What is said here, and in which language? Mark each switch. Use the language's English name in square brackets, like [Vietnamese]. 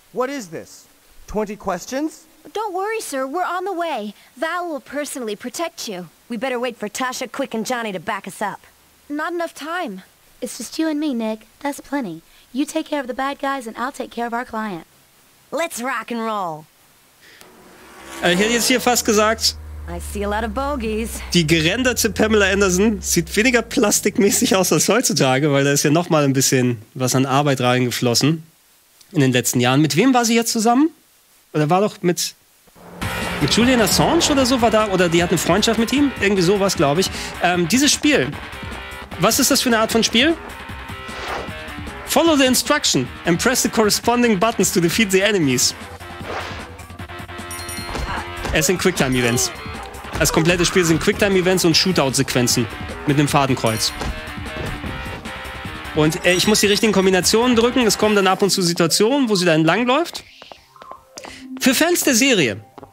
[English] What is this? 20 questions? Don't worry, sir. We're on the way. Val will personally protect you. We better wait for Tasha, Quick, and Johnny to back us up. Not enough time. It's just you and me, Nick. That's plenty. You take care of the bad guys, and I'll take care of our client. Let's rock and roll. [German] Ich hätte jetzt hier fast gesagt, [English] I see a lot of bogeys. [German] Die gerenderte Pamela Anderson sieht weniger plastikmäßig aus als heutzutage, weil da ist ja noch mal ein bisschen was an Arbeit reingeflossen in den letzten Jahren. Mit wem war sie jetzt zusammen? Oder war doch mit Julian Assange oder so war da? Oder die hat eine Freundschaft mit ihm? Irgendwie sowas, glaube ich. Dieses Spiel, was ist das für eine Art von Spiel? [English] Follow the instruction and press the corresponding buttons to defeat the enemies. [German] Es sind Quicktime-Events. Das komplette Spiel sind Quicktime-Events und Shootout-Sequenzen mit einem Fadenkreuz. Und ich muss die richtigen Kombinationen drücken. Es kommen dann ab und zu Situationen, wo sie dann langläuft. Für Fans der Serie.